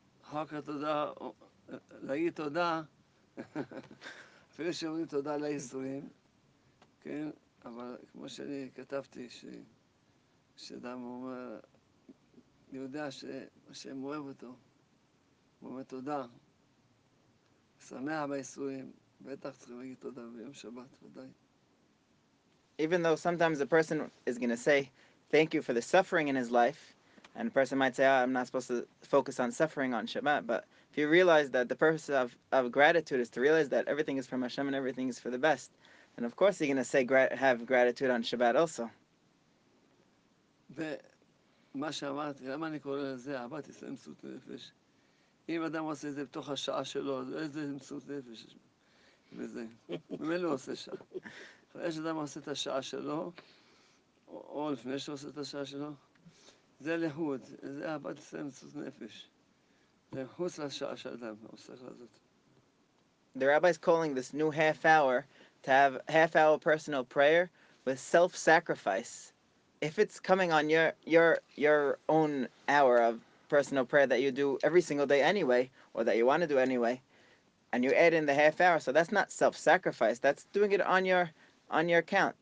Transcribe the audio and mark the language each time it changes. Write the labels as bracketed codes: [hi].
[he] Chok ha'todah, la'i todah, afilu she'omrim todah la'yisurim, כן, אבל כמו שאני כתבתי, שאדם אומר, אני יודע שהשם אוהב אותו, הוא אומר תודה, שמח בייסורים, בטח צריכים להגיד תודה ביום שבת, ודאי. [en] Even though sometimes a person is going to say thank you for the suffering in his life, and a person might say, oh, I'm not supposed to focus on suffering on Shabbat, but if you realize that the purpose of gratitude is to realize that everything is from Hashem and everything is for the best, and of course, you're going to say have gratitude on Shabbat also. [he] ומה שאמרתי, למה אני קורא לזה אהבת ישראל מסירות נפש? אם אדם עושה את זה בתוך השעה שלו, אז איזה מסירות נפש יש בזה? ומי לא עושה שעה? אחרי שאדם עושה את השעה שלו, או לפני שהוא עושה את השעה שלו, זה לחוד, זה אהבת ישראל מסירות נפש. זה חוץ לשעה שאדם עושה לזאת. [en] The rabbi is calling this new half hour to have half hour personal prayer with self-sacrifice. If it's coming on your own hour of personal prayer that you do every single day anyway, or that you want to do anyway, and you add in the half hour, so that's not self-sacrifice, that's doing it on your account.